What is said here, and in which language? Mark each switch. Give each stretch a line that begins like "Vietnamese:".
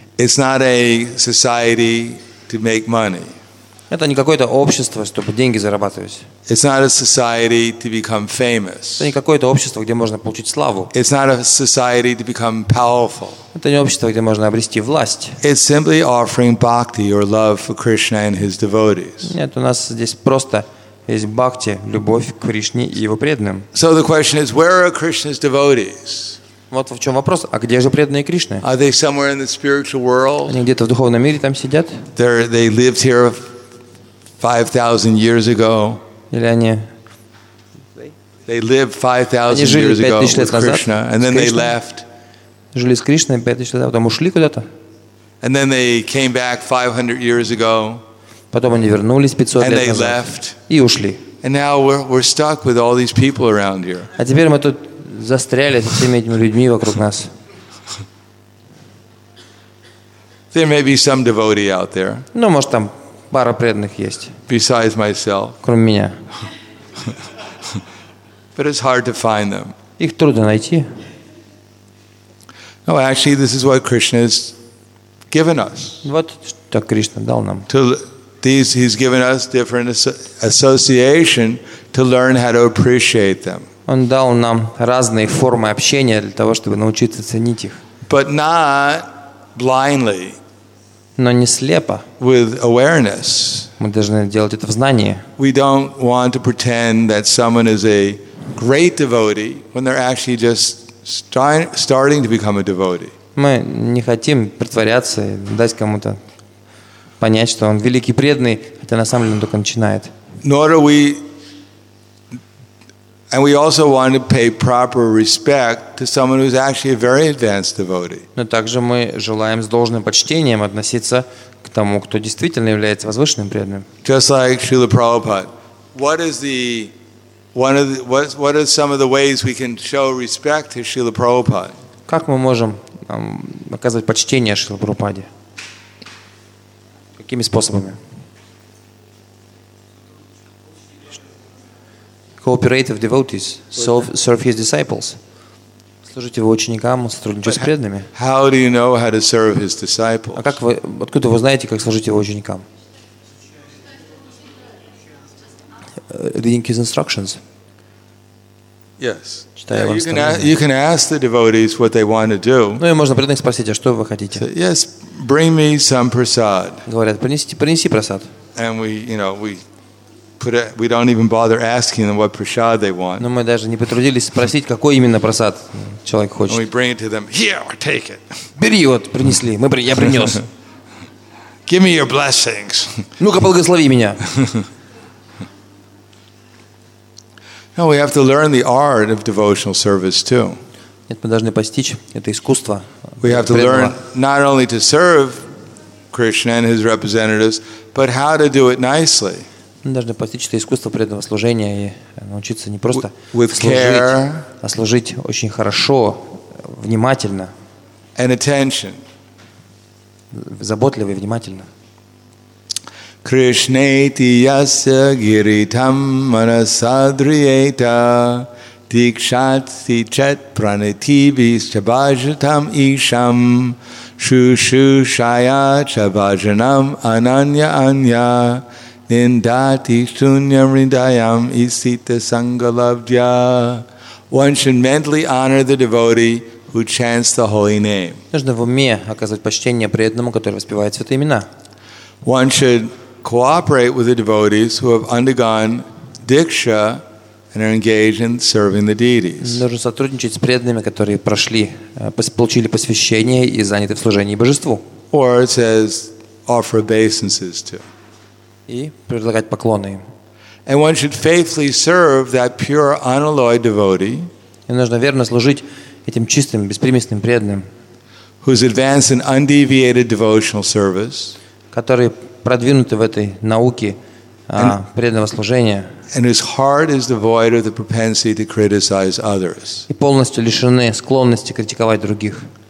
English: It's not a society to make money.
Russian: Это не какое-то общество, чтобы деньги зарабатывать.
English: It's not a society to become famous.
Russian: Это не какое-то общество, где можно получить славу.
English: It's not a society to become powerful.
Russian: Это не общество, где можно обрести власть.
English: It's simply offering bhakti or love for Krishna and his devotees.
Russian: Нет, у нас здесь просто есть бхакти, любовь к Кришне и его преданным.
English: So the question is, where are Krishna's devotees?
Russian: Вот в чем вопрос, а где же преданные Кришны?
English: Are they somewhere in the spiritual world?
Russian: Они где-то в духовном мире там сидят?
English: They lived here 5,000 years ago.
Russian: Или они?
English: They lived 5,000 years ago with Krishna, and then they left.
Russian: Жили с Кришной 5,000 лет назад, потом ушли куда-то.
English: And then they came back 500 years ago.
Russian: Потом они вернулись 500 лет назад и ушли.
English: And now we're stuck with all these people around here.
Russian: А теперь мы тут застряли со всеми этими людьми вокруг нас.
English: There may be some devotee out there.
Russian: Ну, может там пара преданных есть.
English: Besides myself.
Russian: Кроме меня.
English: But it's hard to find them.
Russian: Их трудно найти.
English: No, actually, this is what Krishna has given us.
Russian: Вот что Кришна дал нам.
English: He's given us different association to learn how to appreciate them.
Russian: Он дал нам разные формы общения для того, чтобы научиться ценить их.
English: But not blindly.
Russian: Но не слепо.
English: With awareness.
Russian: Мы должны делать это в знании.
English: We don't want to pretend that someone is a great devotee when they're actually just starting to become a devotee.
Russian: Мы не хотим притворяться и дать кому-то понять, что он великий преданный, хотя на самом деле он только начинает.
English: Nor do we, and we also want to pay proper respect to someone who's actually a very advanced devotee.
Russian: Но также мы желаем с должным почтением относиться к тому, кто действительно является возвышенным преданным.
English: Just like Srila Prabhupada, what are some of the ways we can show respect to Srila Prabhupada?
Russian: Как мы можем оказывать почтение Шриле Прабхупаде? Какими способами?
English: Cooperate with devotees, serve his disciples.
Russian: Служить его ученикам, сотрудничать с преданными.
English: How do you know how to serve his disciples?
Russian: А как вы, откуда вы знаете, как служить его ученикам?
English: Reading his instructions. Yes. You can ask the devotees what they want to do.
Russian: Ну и можно преданных спросить, а что вы хотите?
English: Yes, bring me some prasad.
Russian: Говорят, принеси прасад.
English: And we don't even bother asking them what prasad they want.
Russian: Но мы даже не потрудились спросить, какой именно прасад человек хочет.
English: And we bring it to them. Here, take it.
Russian: Бери, вот принесли. Я принес.
English: Give me your blessings.
Russian: Ну-ка, благослови меня.
English: No, we have to learn the art of devotional service too.
Russian: Нет, мы должны постичь это искусство.
English: We have to learn not only to serve Krishna and his representatives, but how to do it nicely.
Russian: Мы должны постичь это искусство преданного служения и научиться не просто служить, а служить очень хорошо, внимательно.
English: And attention.
Russian: Заботливо и внимательно.
Sanskrit: Krishna iti yasya giritam manasadriyeta dikshati chet pranitibis chabajatam isham shushu shaya chabajanam ananya anya nindati sunyam rindayam isita sangalavdya.
English: One should mentally honor the devotee who chants the holy name.
Russian: Нужно в уме оказывать почтение преданному, который воспевает святые имена.
English: One should cooperate with the devotees who have undergone diksha and are engaged in serving the deities.
Russian: Нужно сотрудничать с преданными, которые прошли, получили посвящение и заняты в служении божеству.
English: Or it says offer obeisances to.
Russian: И предлагать поклоны им.
English: And one should faithfully serve that pure unalloyed devotee.
Russian: И нужно верно служить этим чистым, беспримесным преданным.
English: Who's advanced in undeviated devotional service.
Russian: Который продвинуты в этой науке преданного служения и полностью лишены склонности критиковать других.